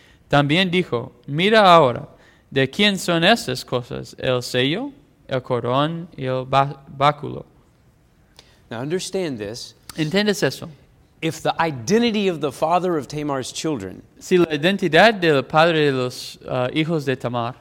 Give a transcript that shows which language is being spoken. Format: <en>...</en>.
<es>También dijo, mira ahora, ¿de quién son estas cosas? El sello, el corón y el báculo.</es> <en>Now understand this.</en> <es>¿Entiendes eso?</es> <en>If the identity of the father of Tamar's children,</en> <es>si la identidad del padre de los hijos de Tamar,</es>